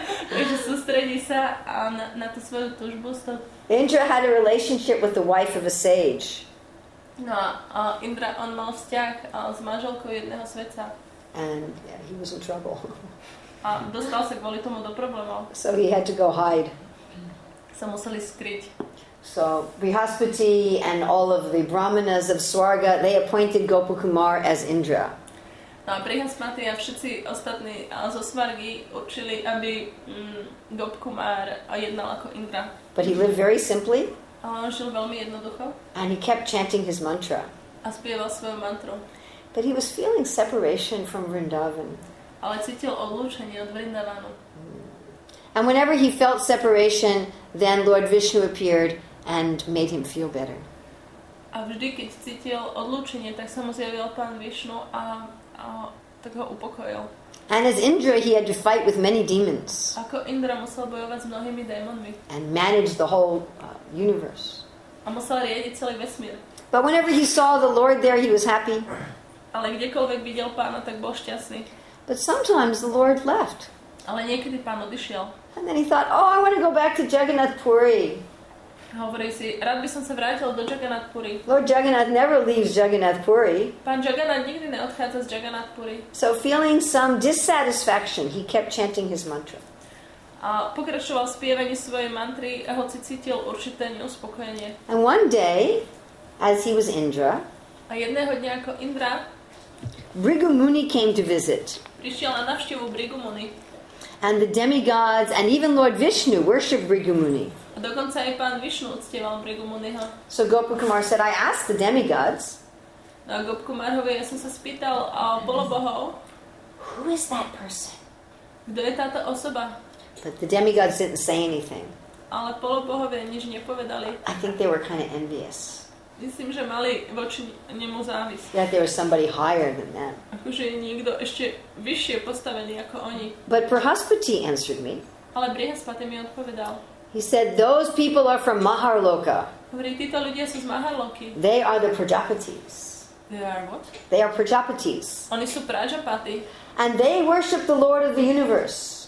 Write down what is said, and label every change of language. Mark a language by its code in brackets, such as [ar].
[sk] Takže sústredí sa na tú svoju túžbu. [en] Indra had a relationship with the wife of a sage. [sk] No a Indra, on mal vzťah s manželkou jedného svedca. [en] And he was in trouble. [sk] A dostal sa kvôli tomu do problémov. [en] So he had to go hide. [sk] Sa museli skryť. [en] So Brihaspati and all of the brahmanas of Swarga, they appointed Gopakumar as Indra. [sk] No a Brihaspati a všetci ostatní zo Swargy určili, aby Gopakumar jednal ako Indra. [en] But he lived very simply. [sk] A on žil veľmi jednoducho. [en] And he kept chanting his mantra. [sk] A spieval svoju mantru. [en] But he was feeling separation from Vrindavan. [sk] Ale cítil odlúčenie od Vrindavanu. [en] And whenever he felt separation, then Lord Vishnu appeared and made him feel better. [sk] A vždy, keď cítil odlúčenie, tak sa mu zjavil pán Vishnu a tak ho upokojil. [en] And as Indra, he had to fight with many demons. [sk] Ako Indra musel bojovať s mnohými démonmi. [en] And manage the whole universe. [sk] A musel riadiť celý vesmír. [en] But whenever he saw the Lord there, he was happy. [sk] Ale kdekoľvek videl pána, tak bol šťastný. [en] But sometimes the Lord left. [sk] Ale niekedy pán odišiel. [en] And then he thought, oh, I want to go back to Jagannath Puri. [sk] Hovorí si, rád by som sa vrátil do Jagannath Puri. [en] Lord Jagannath never leaves Jagannath Puri. [sk] Pán Jagannath nikdy neodchádza z Jagannath Puri. [en] So feeling some dissatisfaction, he kept chanting his mantra. [sk] A pokračoval spievanie svojej mantry, hoci cítil určité neuspokojenie. [en] And one day, as he was Indra, [sk] a jedného dňa ako Indra, [en] Bhrigu Muni came to visit. [sk] Prišiel na návštevu Bhrigu Muni. [en] And the demigods and even Lord Vishnu worshiped Bhrigu Muni. [sk] A dokonca aj pán Vishnu uctieval Bhrigu Muniho. [en] So Gopakumar said, I asked the demigods. [sk] No, Gopakumar hovorí, ja som sa spýtal bolobohov. [en] Who is that person? [sk] Kto je táto osoba? [en] But the demigods didn't say anything. [sk] Ale bolobohovia nič nepovedali. [en] I think they were kind of envious. [sk] Myslím, že mali voči nemu závisť. [en] That there was somebody higher than them. [sk] Akože je niekto ešte vyššie postavený ako oni. [en] But Brihaspati answered me. [sk] Ale Brihaspati mi odpovedal. [en] He said, those people are from Maharloka. [sk] Hovorí, títo ľudia sú z Maharloky. [en] They are the Prajapatis. They are what? They are Prajapatis. [sk] Oni sú Prajapati. [en] And they worship the Lord of the universe.